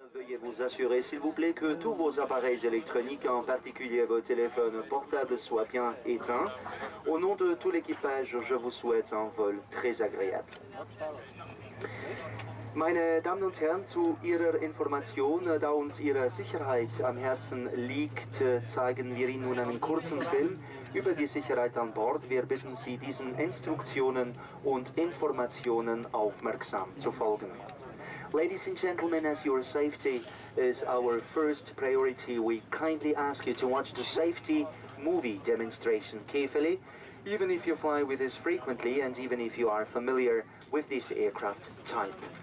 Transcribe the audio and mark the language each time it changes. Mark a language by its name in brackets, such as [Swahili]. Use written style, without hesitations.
[French] Veuillez vous assurer, s'il vous plaît, que tous vos appareils électroniques, en particulier vos téléphones portables, soient bien éteints. Au nom de tout l'équipage, je vous souhaite un vol très agréable. [German] Meine Damen und Herren, zu Ihrer Information, da uns Ihre Sicherheit am Herzen liegt, zeigen wir Ihnen nun einen kurzen Film über die Sicherheit an Bord. Wir bitten Sie, diesen Instruktionen und Informationen aufmerksam zu folgen. [English] Ladies and gentlemen, as your safety is our first priority, we kindly ask you to watch the safety movie demonstration carefully, even if you fly with us frequently and even if you are familiar with this aircraft type.